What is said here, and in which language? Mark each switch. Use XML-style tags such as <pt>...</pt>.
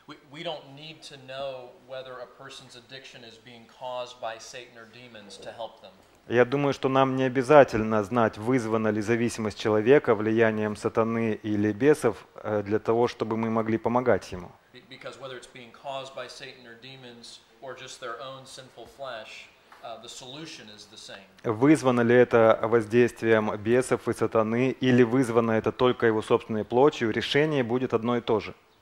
<en>We don't need to know whether a person's addiction is being caused by Satan or demons to help them.</en> <ru>Я думаю, что нам не обязательно знать, вызвана ли зависимость человека влиянием сатаны или бесов для того, чтобы мы могли помогать ему.</ru> <en>Because whether it's being caused by Satan or demons or just their own sinful flesh, the solution is the same.</en> <ru>Вызвано ли это воздействием бесов и сатаны или вызвано это только его собственной плотью, решение будет одно и то же.</ru>